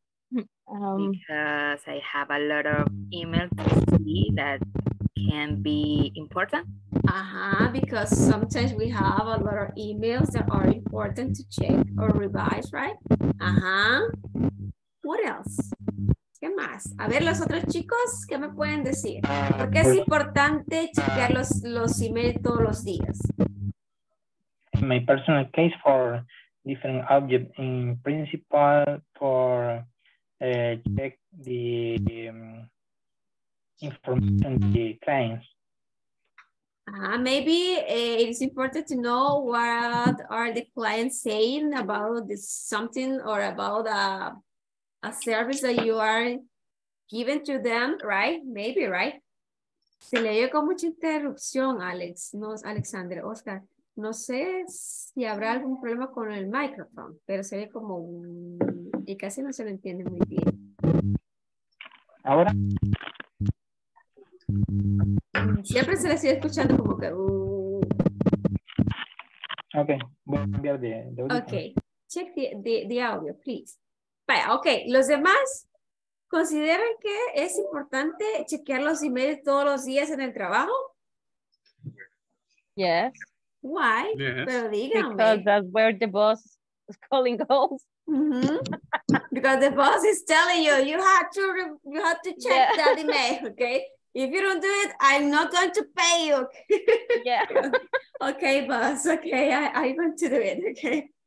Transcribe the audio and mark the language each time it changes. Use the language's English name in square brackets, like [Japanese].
[English] Because I have a lot of emails to see that can be important. Because sometimes we have a lot of emails that are important to check or revise, right? What else? [Spanish] ¿Qué más? A ver, los otros chicos, ¿qué me pueden decir? ¿Por qué es importante chequear los emails todos los días? [English] In my personal case, for different objects, in principle, for check the information to the clients. Maybe it's important to know what are the clients saying about this something or about a service that you are giving to them, right? Maybe, right? [Spanish] Se le oye con mucha interrupción, Alex. No, Alexander, Oscar. No sé si habrá algún problema con el micrófono, pero se ve como y casi no se lo entiende muy bien. ¿Ahora? Siempre se le sigue escuchando como que... Ok, voy a cambiar de audio. [English] Ok, check the audio, please. [Spanish] Vaya, ok, los demás consideran que es importante chequear los emails todos los días en el trabajo. [English] Yes. Why? Yes. [Spanish] Pero díganme. [English] Because that's where the boss is calling calls. Because the boss is telling you, you have to check that email, okay? If you don't do it, I'm not going to pay you. Yeah. Okay, boss, okay, I'm going to do it, okay?